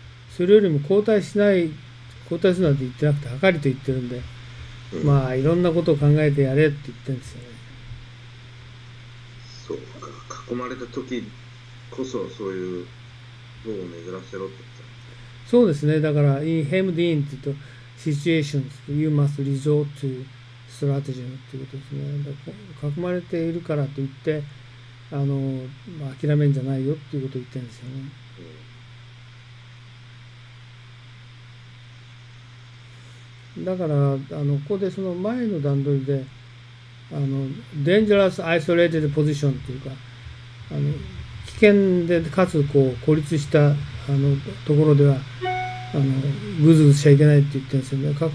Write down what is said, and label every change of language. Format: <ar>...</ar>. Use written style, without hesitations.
<ja>それよりも交代するなんて言ってなくて、はかりと言ってるんで、まあ、いろんなことを考えてやれって言ってるんですよね。そうか、囲まれた時こそ、そういう脳を巡らせろって。そうですね。だから、</ja> <en>in hemmed in</en> <ja>って言うと、</ja> <en>situations, you must resort to strategy</en> <ja>ということですね。だから囲まれているからといって、まあ、諦めんじゃないよということを言ってるんですよね。だから、ここでその前の段取りで、</ja> <en>dangerous isolated position</en> <ja>というか、危険で、かつ、こう、孤立した、ところでは、グズグズしちゃいけないって言ってるんですよね。</ja>